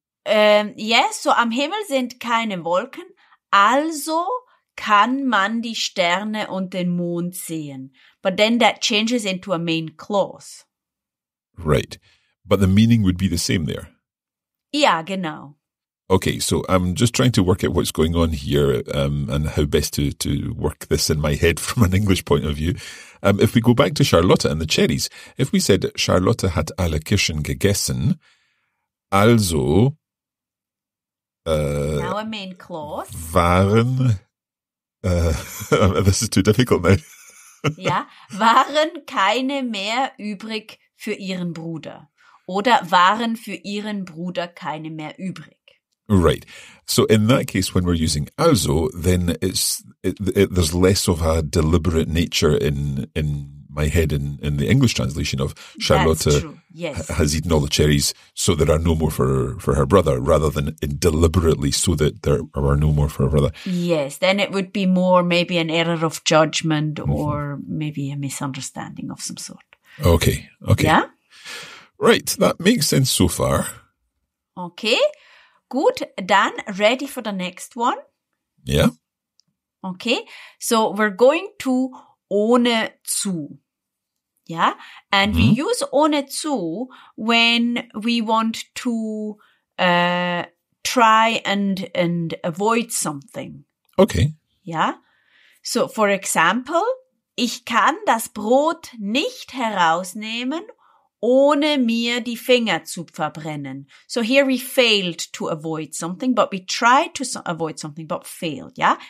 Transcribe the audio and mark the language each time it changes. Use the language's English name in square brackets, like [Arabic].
[German] Yes, so am Himmel sind keine Wolken, also kann man die Sterne und den Mond sehen. [English] But then that changes into a main clause. Right. But the meaning would be the same there. Yeah, genau. Okay, so I'm just trying to work out what's going on here and how best to work this in my head from an English point of view. If we go back to Charlotte and the cherries, if we said [German] Charlotte hat alle Kirschen gegessen, also... [English] Now a main clause. Waren... this is too difficult now. [German] Yeah, waren keine mehr übrig für ihren Bruder. Oder waren für ihren Bruder keine mehr übrig. [English] Right. So in that case, when we're using also, then there's less of a deliberate nature in my head in the English translation of Charlotte has eaten all the cherries, so there are no more for her brother, rather than deliberately so that there are no more for her brother. Yes, then it would be more maybe an error of judgment or maybe a misunderstanding of some sort. Okay. Yeah? Right, that makes sense so far. Okay, good. Dan, ready for the next one? Yeah. Okay, so we're going to ohne zu. Yeah, and we use ohne zu when we want to try and avoid something. Okay. Yeah, so for example, [German] ich kann das Brot nicht herausnehmen, ohne mir die Finger zu verbrennen. [English] So here we failed to avoid something, but we tried to avoid something, but failed, yeah?